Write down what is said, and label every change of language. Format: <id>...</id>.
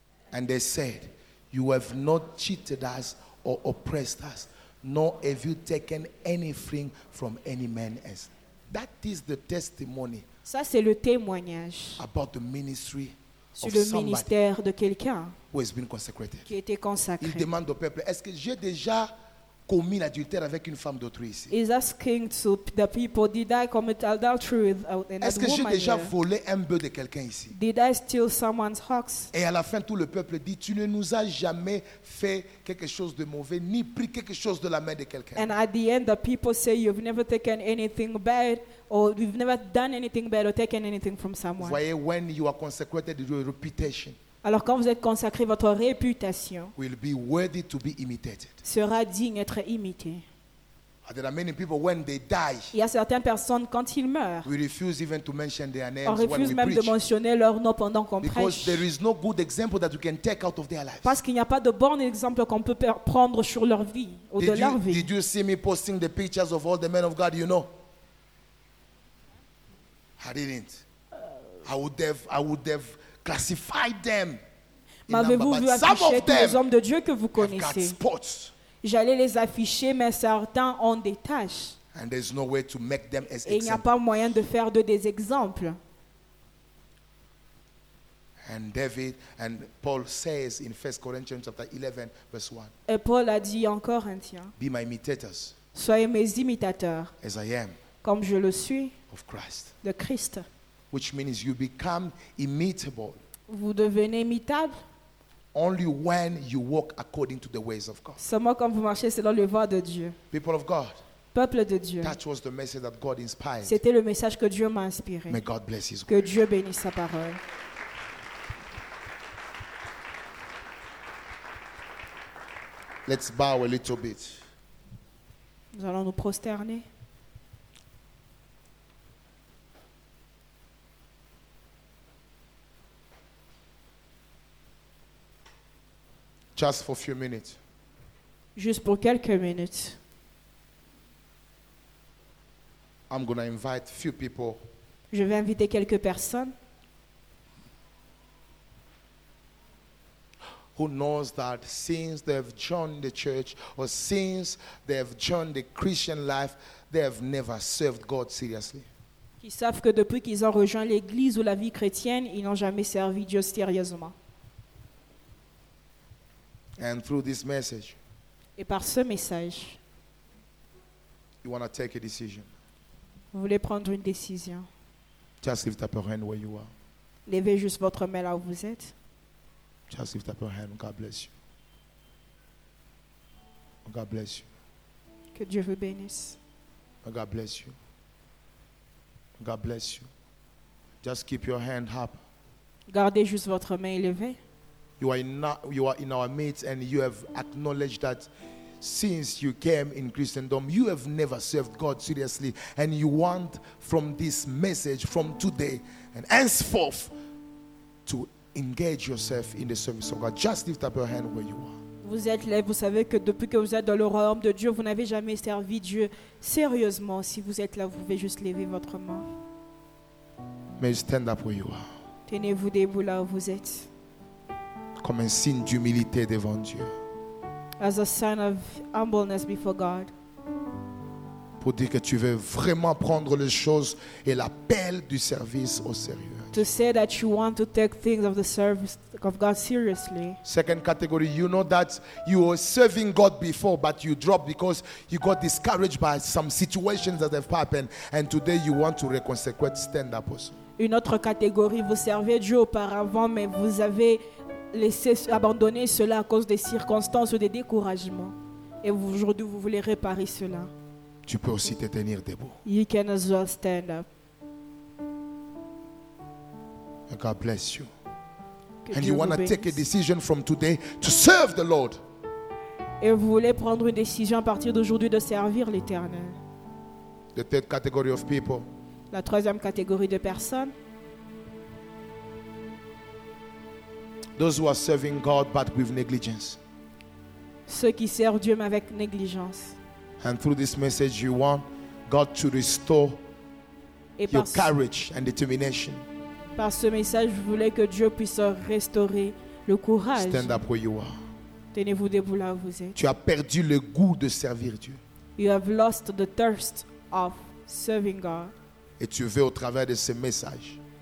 <en>And they said, you have not cheated us or oppressed us, nor have you taken anything from any man else. That is the testimony.</en> <fr>Ça, c'est le témoignage.</fr> <en>About the ministry</en> <fr>sur le ministère de quelqu'un</fr> <en>who has been consecrated.</en> <fr>Qui a été consacré. Il demande au peuple, est-ce que j'ai déjà commis l'adultère avec une femme d'autrui ici?</fr> <en>He's asking to the people, did I commit adultery with another woman?</en> <fr>Est-ce que j'ai déjà</fr> <en>here?</en> <fr>Volé un bœuf de quelqu'un ici?</fr> <en>Did I steal someone's ox?</en> <fr>Et à la fin, tout le peuple dit, tu ne nous as jamais fait quelque chose de mauvais, ni pris quelque chose de la main de quelqu'un.</fr> <en>And at the end, the people say, you've never taken anything bad, or you've never done anything bad, or taken anything from someone.</en> <fr>Vous voyez,</fr> <en>when you are consecrated, your reputation.</en> <fr>Alors quand vous êtes consacré, votre réputation</fr> <en>will be worthy to be imitated.</en> <fr>Sera digne d'être imité.</fr> <en>There are many people when they die,</en> <fr>il y a certaines personnes quand ils meurent,</fr> <en>we refuse even to mention their names</en> <fr>on refuse</fr> <en>when</en> <fr>même</fr> <en>we preach,</en> <fr>de mentionner leur nom pendant qu'on</fr> <en>because There is no good example that we can take out of their lives.</en> <fr>Parce qu'il n'y a pas de bon exemple qu'on peut prendre sur leur vie ou</fr> <en>did</en> <fr>de</fr> <en>you,</en> <fr>leur vie.</fr> <en>Did you see me posting the pictures of all the men of God you know? I didn't. I would have classify them.</en> <fr>M'avez-vous vu afficher tous les hommes de Dieu que vous connaissez? J'allais les afficher, mais certains ont des taches.</fr> <en>And there's no way to make them as</en> <fr>et il n'y a pas moyen de faire de des exemples.</fr> <en>And David and Paul says in 1 Corinthians chapter 11 verse 1.</en> <fr>Et Paul a dit en Corinthiens.</fr> <en>Be my imitators.</en> <fr>Soyez mes imitateurs.</fr> <en>As I am.</en> <fr>Comme je le suis.</fr> <en>Of Christ.</en> <fr>De Christ.</fr> <en>Which means you become imitable.</en> <fr>Vous devenez imitable.</fr> <en>Only when you walk according to the ways of God.</en> <fr>Seulement quand vous marchez selon les voies de Dieu.</fr> <en>People of God.</en> <fr>Peuple de Dieu.</fr> <en>That was the message that God inspired.</en> <fr>C'était le message que Dieu m'a inspiré.</fr> <en>May God bless His word.</en> <fr>Que Dieu bénisse sa parole.</fr> <en>Let's bow a little bit.</en> <fr>Nous allons nous prosterner.</fr> <en>Just for a few minutes.</en> <fr>Juste pour quelques minutes.</fr> <en>I'm going to invite few people.</en> <fr>Je vais inviter quelques personnes.</fr> <en>Who knows that since they have joined the church or since they have joined the Christian life, they have never served God seriously.</en> <fr>Qui savent que depuis qu'ils ont rejoint l'église ou la vie chrétienne, ils n'ont jamais servi Dieu sérieusement.</fr> <en>And through this message,</en> <fr>et par ce message,</fr> <en>you want to take a decision.</en> <fr>Vous voulez prendre une décision.</fr> <en>Just lift up your hand where you are. Levez juste votre main là où vous êtes. Just lift up your hand. God bless you. God bless you.</en> <fr>Que Dieu vous bénisse.</fr> <en>God bless you. God bless you. Just keep your hand up.</en> <fr>Gardez juste votre main levée.</fr> <en>You are in our midst and you have acknowledged that since you came in Christendom, you have never served God seriously. And you want from this message, from today, and henceforth, to engage yourself in the service of God. Just lift up your hand where you are.</en> <fr>Vous êtes là, vous savez que depuis que vous êtes dans le royaume de Dieu, vous n'avez jamais servi Dieu sérieusement. Si vous êtes là, vous pouvez juste lever votre main.</fr> <en>May you stand up where you are.</en> <fr>Tenez-vous debout là où vous êtes. Comme un signe d'humilité devant Dieu.</fr> <en>As a sign of humbleness before God.</en> <fr>Pour dire que tu veux vraiment prendre les choses et l'appel du service au sérieux.</fr> <en>To say that you want to take things of the service of God seriously. Second category, you know that you were serving God before, but you dropped because you got discouraged by some situations that have happened, and today you want to reconsecrate, stand up also.</en> <fr>Une autre catégorie, vous servez Dieu auparavant, mais vous avez laissé abandonner cela à cause des circonstances ou des découragements, et aujourd'hui vous voulez réparer cela. Tu peux aussi te tenir debout.</fr> <en>You can as well stand up. God bless you. And you want to take a decision from today to serve the Lord.</en> <fr>Et vous voulez prendre une décision à partir d'aujourd'hui de servir l'Éternel.</fr> <en>The third category of people.</en> <fr>La troisième catégorie de personnes.</fr> <en>Those who are serving God but with negligence.</en> <fr>Ceux qui servent Dieu mais avec négligence.</fr> <en>And through this message you want God to restore your courage and determination.</en> <fr>Par ce message, je voulais que Dieu puisse restaurer le courage.</fr> <en>Stand up where you are.</en> <fr>Tenez-vous debout là où vous êtes. Tu as perdu le goût de servir Dieu.</fr> <en>You have lost the thirst of serving God.</en> <fr>Et tu veux au travers de ce message.</fr>